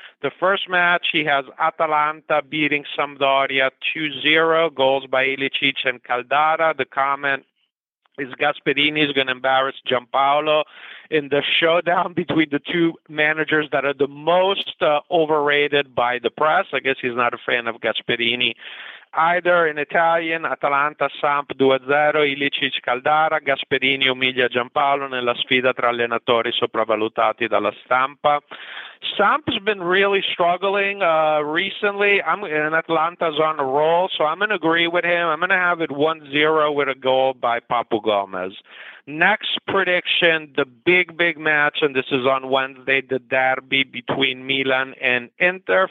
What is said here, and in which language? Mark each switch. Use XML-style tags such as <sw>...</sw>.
<en>The first match, he has Atalanta beating Sampdoria 2-0, goals by Ilicic and Caldara. The comment is Gasperini is going to embarrass Giampaolo in the showdown between the two managers that are the most overrated by the press. I guess he's not a fan of Gasperini either. In Italian, Atalanta Samp 2-0, Ilicic Caldara.</en> <it>Gasperini umilia Giampaolo nella sfida tra allenatori sopravvalutati dalla stampa.</it> <en>Samp's been really struggling recently. Atlanta's on a roll, so I'm going to agree with him. I'm going to have it 1-0 with a goal by Papu Gomez. Next prediction, the big, big match, and this is on Wednesday, the derby between Milan and Inter.</en>